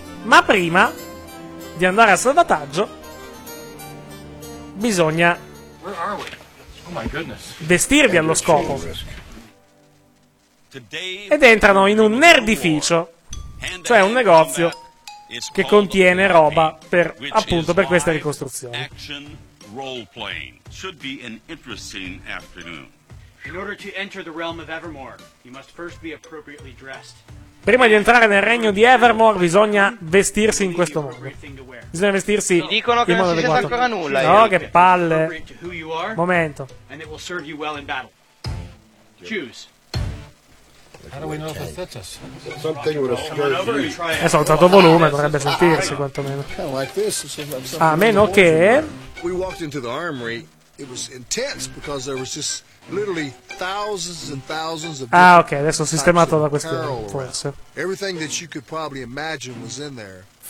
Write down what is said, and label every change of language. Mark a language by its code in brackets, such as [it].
[it] Ma prima di andare al salvataggio bisogna vestirvi allo scopo. Ed entrano in un nerdificio, cioè un negozio che contiene roba per, appunto, per queste ricostruzioni. [en] Action role playing should be an interesting afternoon. In order to enter the realm of Evermore, you must first be appropriately dressed. [it] Prima di entrare nel regno di Evermore bisogna vestirsi in questo modo. Bisogna vestirsi dicono che in modo non adeguato. Ancora nulla. No, che palle. Momento. [en] And it will serve you well in battle. Choose. [it] È saltato volume, dovrebbe sentirsi quantomeno. A meno che [en] we walked into the armory, it was intense because there was just literally thousands and thousands of. [it] Ah, ok, adesso ho sistemato la questione, forse. [en] Everything that you could probably imagine was in there.